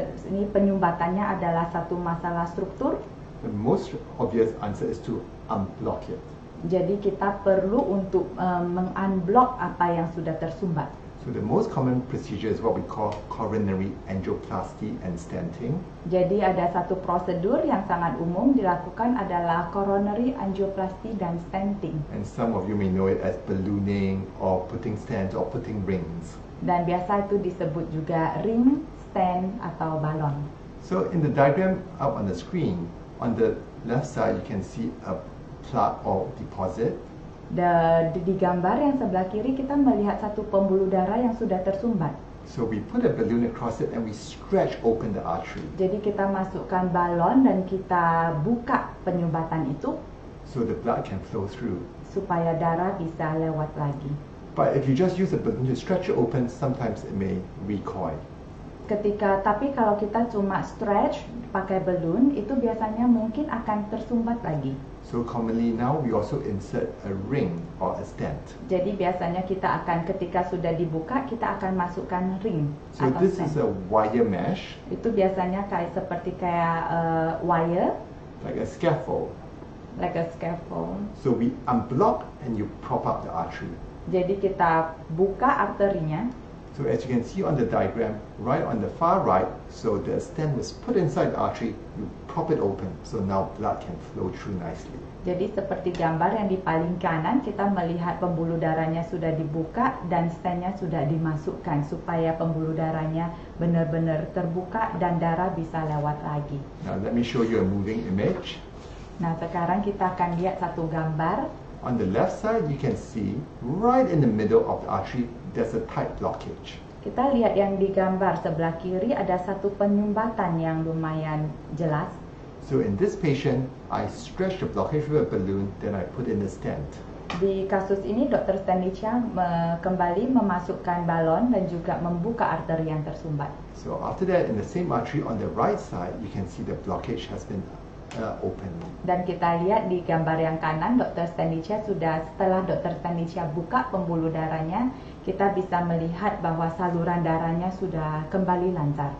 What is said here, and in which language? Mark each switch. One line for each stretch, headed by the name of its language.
Indonesian: ini penyumbatannya adalah satu masalah struktur,
English: the most obvious answer is to unblock it.
Indonesian: Jadi kita perlu untuk meng-unblock apa yang sudah tersumbat.
English: So the most common procedure is what we call coronary angioplasty and stenting.
Indonesian: Jadi ada satu prosedur yang sangat umum dilakukan adalah coronary angioplasty dan stenting.
English: And some of you may know it as ballooning or putting stents or putting rings.
Indonesian: Dan biasa itu disebut juga ring, stent atau balon.
English: So in the diagram up on the screen, on the left side you can see a plaque or deposit.
Indonesian: Di gambar yang sebelah kiri kita melihat satu pembuluh darah yang sudah tersumbat.
English: So we put a balloon across it and we stretch open the artery.
Indonesian: Jadi kita masukkan balon dan kita buka penyumbatan itu.
English: So the blood can flow through.
Indonesian: Supaya darah bisa lewat lagi.
English: But if you just use a balloon to stretch it open, sometimes it may recoil.
Indonesian: Tapi kalau kita cuma stretch pakai balloon, itu biasanya mungkin akan tersumbat lagi.
English: So commonly now we also insert a ring or a stent.
Indonesian: Jadi biasanya kita akan ketika sudah dibuka kita akan masukkan ring.
English: So
Indonesian: atau
English: this stent. Is a wire mesh.
Indonesian: Itu biasanya kayak seperti kayak wire.
English: Like a scaffold. Like a scaffold. So we unblock and you prop up the artery.
Indonesian: Jadi kita buka arterinya.
English: So as you can see on the diagram, right on the far right, so the stent was put inside the artery, you prop it open, so now blood can flow through nicely.
Indonesian: Jadi seperti gambar yang di paling kanan, kita melihat pembuluh darahnya sudah dibuka dan stentnya sudah dimasukkan supaya pembuluh darahnya benar-benar terbuka dan darah bisa lewat lagi.
English: Now let me show you a moving image.
Indonesian: Nah sekarang kita akan lihat satu gambar.
English: On the left side, you can see right in the middle of the artery, there's a tight blockage.
Indonesian: Kita lihat yang di gambar sebelah kiri ada satu penyumbatan yang lumayan jelas.
English: So in this patient, I stretch the blockage with a balloon, then I put in a stent.
Indonesian: Di kasus ini, Dr. Stanley Chiang kembali memasukkan balon dan juga membuka arteri yang tersumbat.
English: So after that, in the same artery on the right side, you can see the blockage has been open.
Indonesian: Dan kita lihat di gambar yang kanan, Dr. Stanicha sudah setelah Dr. Stanicha buka pembuluh darahnya, kita bisa melihat bahwa saluran darahnya sudah kembali lancar.